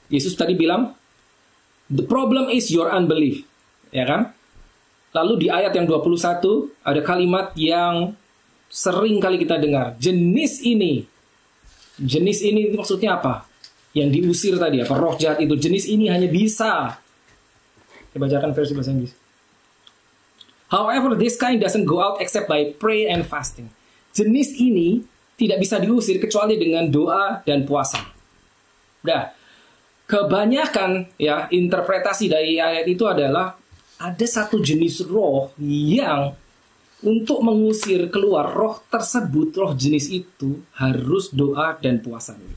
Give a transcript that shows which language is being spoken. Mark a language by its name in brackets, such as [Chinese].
[Indonesian] Yesus tadi bilang, [English] "The problem is your unbelief." Ya yeah, kan? [Indonesian] Lalu di ayat yang 21, ada kalimat yang sering kali kita dengar. Jenis ini. Jenis ini itu maksudnya apa? Yang diusir tadi, apa roh jahat itu. Jenis ini hanya bisa... Saya bacakan versi bahasa Inggris. [English] "However, this kind doesn't go out except by prayer and fasting." [Indonesian] Jenis ini tidak bisa diusir kecuali dengan doa dan puasa. Nah, kebanyakan ya interpretasi dari ayat itu adalah ada satu jenis roh yang untuk mengusir keluar roh tersebut, roh jenis itu harus doa dan puasa.